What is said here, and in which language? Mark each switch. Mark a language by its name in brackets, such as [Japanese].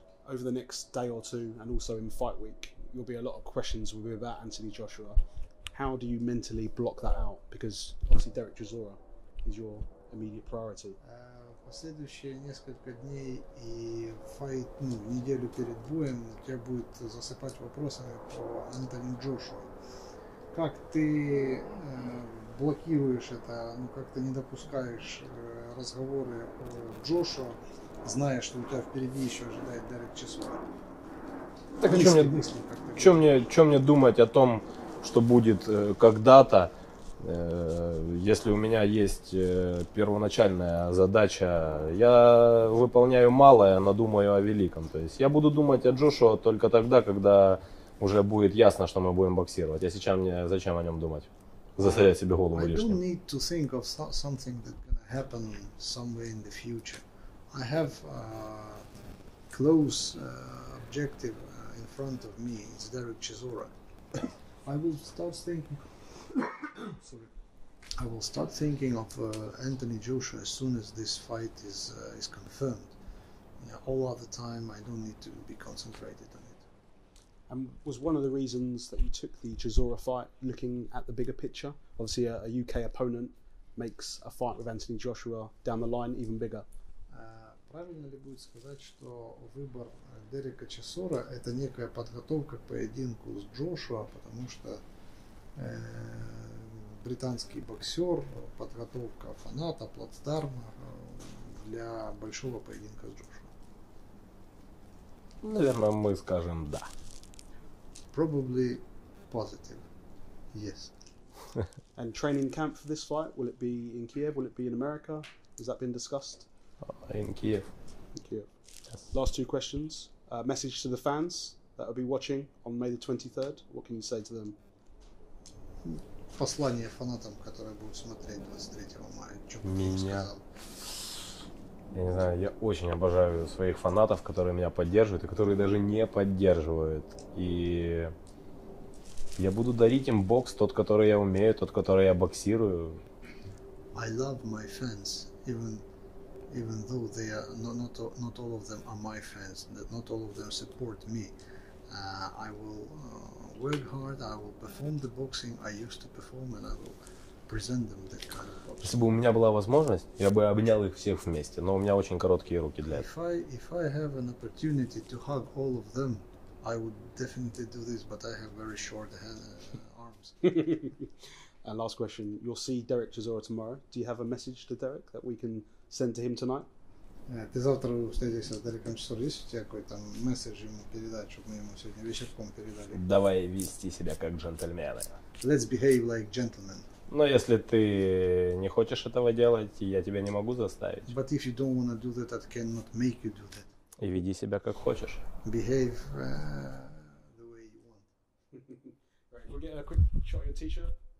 [English] Over the next day or two, and also in fight week, there'll be a lot of questions will be about Anthony Joshua. how do you mentally block that out? Because obviously Derek Chisora is your immediate priority. [Russian] Последующие несколько дней и файт, ну, неделю перед боем тебя будет засыпать вопросами по Энтони Джошуа. Как ты блокируешь это, ну как ты не допускаешь разговоры о Джошуа, зная, что у тебя впереди еще ожидает Дерек Чисора? Так что мне думать о том, что будет когда-то? Если у меня есть первоначальная задача, я выполняю малое, но думаю о великом. То есть я буду думать о Джошуа только тогда, когда уже будет ясно, что мы будем боксировать. А сейчас мне зачем о нем думать? Засорять себе голову лишним. [English] I don't need to think of something that's gonna happen somewhere in the future. I have a close objective in front of me. It's Derek Chisora. I will start thinking. I will start thinking of Anthony Joshua as soon as this fight is confirmed. Yeah, all other time, I don't need to be concentrated on it. And was one of the reasons that you took the Chisora fight looking at the bigger picture? Obviously, a UK opponent makes a fight with Anthony Joshua down the line even bigger. [Russian] Правильно ли будет сказать, что выбор Дерека Чисора это некая подготовка к поединку с Джошуа, потому что британский боксер, подготовка фаната, плацдарма для большого поединка с Джошуа? Наверное, мы скажем да. [English] Probably positive. Yes. And training camp for this fight, will it be in Kiev? Will it be in America? Has that been discussed? In Kiev. In Kiev. Yes. Last two questions. Message to the fans that will be watching on May the 23rd. What can you say to them? [Russian] Послание фанатам, которые будут смотреть 23 мая. Что меня... Я не знаю, я очень обожаю своих фанатов, которые меня поддерживают и которые даже не поддерживают. И я буду дарить им бокс, тот, который я умею, тот, который я боксирую. [English] I love my fans, even though they are not all of them are my fans, not all of them support me. I will work hard, I will perform the boxing I used to perform, and I will present them the kind of boxing. [Russian] Если бы у меня была возможность, я бы обнял их всех вместе, но у меня очень короткие руки для этого. [English] If I have an opportunity to hug all of them, I would definitely do this, but I have very short arms. And last question, you'll see Derek Chisora tomorrow. Do you have a message to Derek that we can send to him tonight? [Russian] Ты завтра встретишься с Дереком Чисорой, есть у тебя какой-то месседж ему передать, чтобы мы ему сегодня вечерком передали? Давай вести себя как джентльмены. [English] Let's behave like gentlemen. [Russian] Но если ты не хочешь этого делать, я тебя не могу заставить. [English] But if you don't want to do that, I cannot make you do that. [Russian] И веди себя как хочешь. [English] Behave the way you want. Right, we're getting a quick shot of your t-shirt.